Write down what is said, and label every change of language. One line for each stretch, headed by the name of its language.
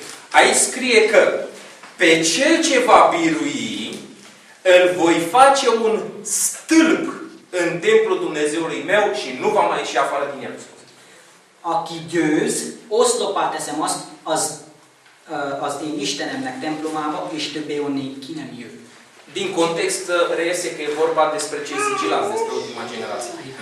Romanian: Aici scrie că pe cel ce va birui, îl voi face un stâlp în templul Dumnezeului meu și nu va mai ieși afară din el.
Hungarian: Aki győz, oszlopát teszem azt, az én Istenemnek templomába, és többé onnék ki nem jöv.
Romanian: Din context reiese că e vorba despre cei sigilați, despre ultima generație.